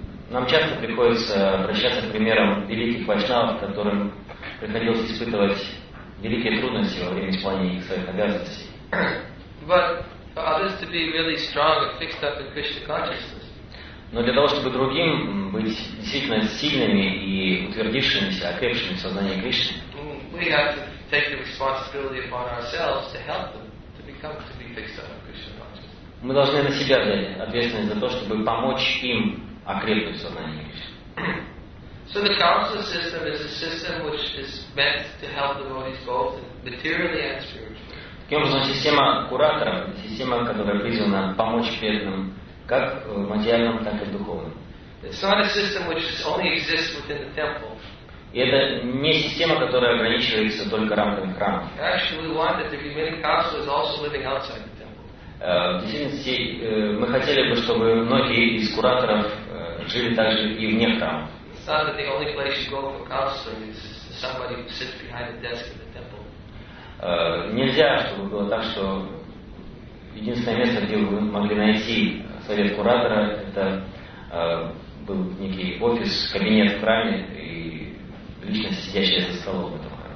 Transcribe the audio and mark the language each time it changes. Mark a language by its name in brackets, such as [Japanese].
[Russian] Нам часто приходится обращаться к примерам великих вайшнавов, которым приходилось испытывать великие трудности во время исполнения своих обязанностей. [English] But for others to be really strong and fixed up in Krishna consciousness. [Russian] Но для того, чтобы другим быть действительно сильными и утвердившимися, окрепшими в сознании Кришны, [English] we have to take the responsibility upon ourselves to help them to become, to be fixed up in Krishna consciousness. [Russian] Мы должны на себя взять ответственность за то, чтобы помочь им окрепнуть в сознании Кришны. [English] So the counseling system is a system which is meant to help the devotees both materially and spiritually. [Russian] Таким образом, система кураторов, система, которая призвана помочь преданным как в материальном, так и в духовном. [English] It's not a system which only exists within the temple. [Russian] И это не система, которая ограничивается только рамками храма. [English] Actually, we want that there be many counselors also living outside the temple. [Russian] В действительности, мы хотели бы, чтобы многие из кураторов жили также и вне храма. [English] It's not that the only place you go for counseling is somebody who sits behind a desk in the temple. [Russian] Нельзя, чтобы было так, что единственное место, где вы могли найти совет куратора, это был некий офис, кабинет в храме и личность, сидящая за столом в этом